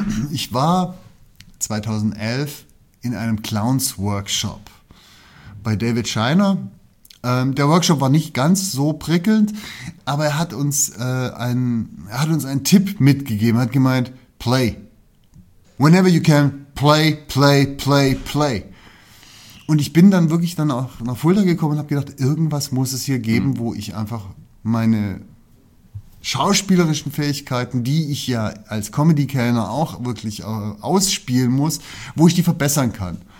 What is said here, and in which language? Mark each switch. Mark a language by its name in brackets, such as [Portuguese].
[German] Ich war 2011 in einem Clowns-Workshop bei David Scheiner. Der Workshop war nicht ganz so prickelnd, aber er hat uns einen Tipp mitgegeben. Er hat gemeint, play. [English] Whenever you can, play, play, play, play. [German] Und ich bin dann wirklich dann auch nach Fulda gekommen und habe gedacht, irgendwas muss es hier geben, wo ich einfach meine schauspielerischen Fähigkeiten, die ich ja als Comedy-Kellner auch wirklich ausspielen muss, wo ich die verbessern kann.